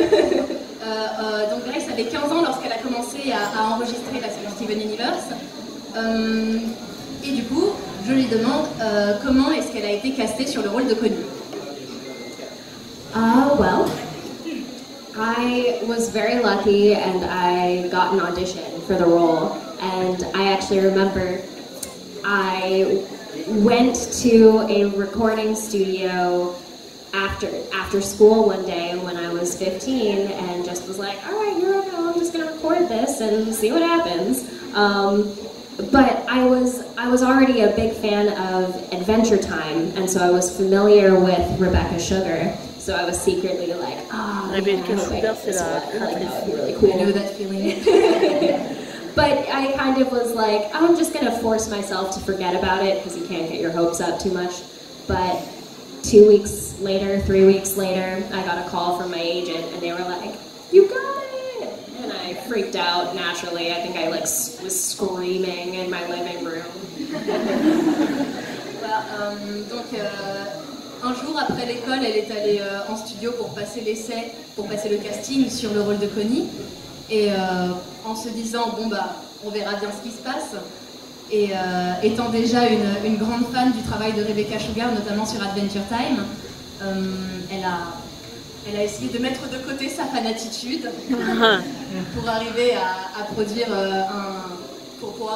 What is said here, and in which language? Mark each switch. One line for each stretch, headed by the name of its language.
French: donc Grace avait 15 ans lorsqu'elle a commencé à enregistrer la série Steven Universe. Et du coup, je lui demande comment est-ce qu'elle a été castée sur le rôle de Connie.
English: Well, I was very lucky and I got an audition for the role. And I actually remember I went to a recording studio after school one day when I was 15 and just was like, all right, you're okay, I'm just gonna record this and see what happens. But I was already a big fan of Adventure Time, and so I was familiar with Rebecca Sugar. So I was secretly like, I know that feeling. But I kind of was like, I'm just gonna force myself to forget about it because you can't get your hopes up too much. But 2 weeks later, 3 weeks later, I got a call from my agent and they were like, you got it! And I freaked out naturally. I think I like was screaming in my living room.
French: Well, donc, un jour après l'école, elle est allée en studio pour passer l'essai, pour passer le casting sur le rôle de Connie. Et en se disant, bon bah, on verra bien ce qui se passe. Et étant déjà une grande fan du travail de Rebecca Sugar, notamment sur Adventure Time, elle a essayé de mettre de côté sa fanatitude pour arriver à produire pour pouvoir